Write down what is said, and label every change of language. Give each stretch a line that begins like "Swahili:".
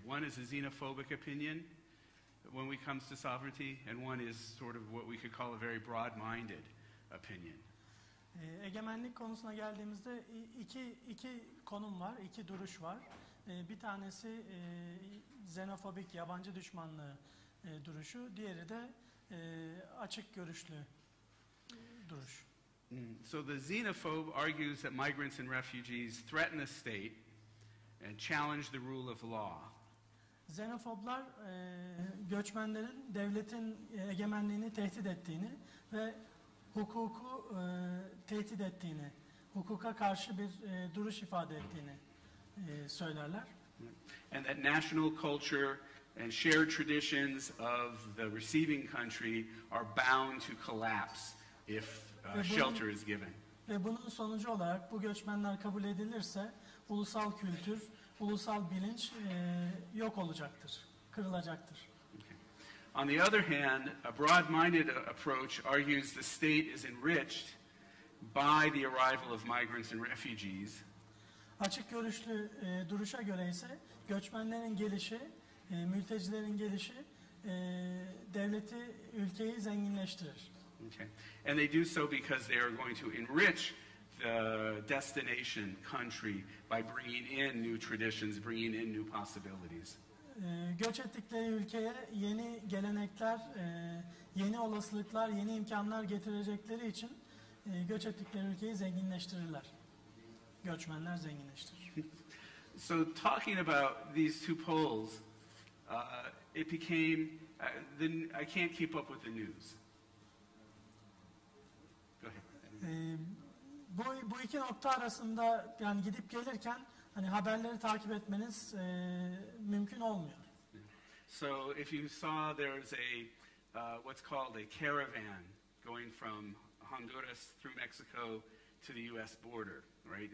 English: One is a xenophobic opinion when it comes to sovereignty, and one is sort of what we could call a very broad-minded opinion.
Turkish: Egemenlik konusuna geldiğimizde iki konum var, iki duruş var. Bir tanesi xenofobik, yabancı düşmanlığı duruşu, diğeri de açık görüşlü duruş.
English: So the xenophobe argues that migrants and refugees threaten the state and challenge the rule of law.
Turkish: Xenofoblar göçmenlerin devletin egemenliğini tehdit ettiğini ve hukuku tehdit ettiğini, hukuka karşı bir duruş ifade ettiğini söylerler.
English: And that national culture and shared traditions of the receiving country are bound to collapse if shelter is given.
Turkish: Ve bunun sonucu olarak bu göçmenler kabul edilirse ulusal kültür, ulusal bilinç yok olacaktır. kırılacaktır.
English: On the other hand, a broad-minded approach argues the state is enriched by the arrival of migrants and refugees.
Turkish: Açık görüşlü duruşa göre ise göçmenlerin gelişi, mültecilerin gelişi devleti, ülkeyi zenginleştirir.
English: Okay. And they do so because they are going to enrich the destination country by bringing in new traditions, bringing in new possibilities.
Turkish: Göç ettikleri ülkeye yeni gelenekler, yeni olasılıklar, yeni imkanlar getirecekleri için göç ettikleri ülkeyi zenginleştirirler. Göçmenler zenginleştirir.
English: So talking about these two poles, it became then I can't keep up with the news. Go ahead.
Turkish: Bu iki nokta arasında yani gidip gelirken hani haberleri takip etmeniz mümkün olmuyor.
English: So if you saw there's a what's called a caravan going from Honduras through Mexico to the US border, right?